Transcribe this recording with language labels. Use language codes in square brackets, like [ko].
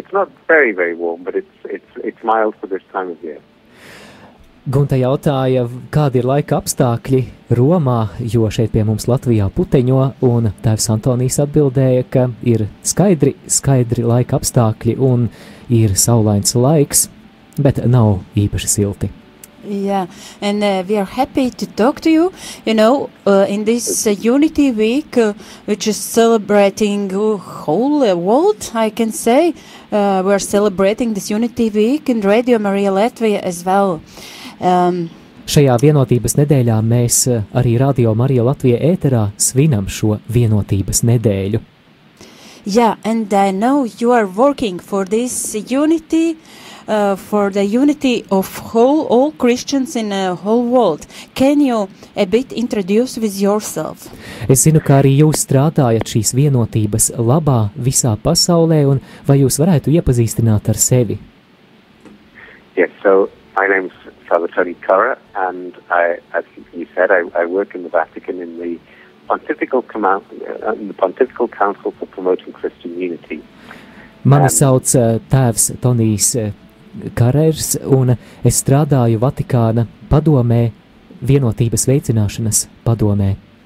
[en] It's not very, very warm, but it's mild for this time of year. [lv] Gunta jautāja, kādi ir laika apstākļi Romā, jo šeit pie mums Latvijā puteņo, un tēvs Antonijs atbildēja, ka ir skaidri laika apstākļi un ir saulains laiks, bet nav īpaši silti. [en] Yeah, and we are happy to talk to you, you know, in this Unity Week, which is celebrating the whole world, I can say, we are celebrating this Unity Week in Radio Maria Latvia as well. [lv] Šajā vienotības nedēļā mēs arī Radio Marija Latvija ēterā svinam šo vienotības nedēļu. [en] Yeah, and I know you are working for this unity, for the unity of all Christians in the whole world. Can you a bit introduce with yourself? [lv] Es zinu, ka arī jūs strādājat šīs vienotības labā visā pasaulē, un vai jūs varētu iepazīstināt ar sevi? [en] Yes, so my name is Father Tony Curra, and I, as you said, I work in the Vatican in the Pontifical in the Pontifical Council for Promoting Christian Unity. [lv] Mani sauc tēvs Tonijs Karers, un es strādāju Vatikāna padomē, vienotības veicināšanas padomē.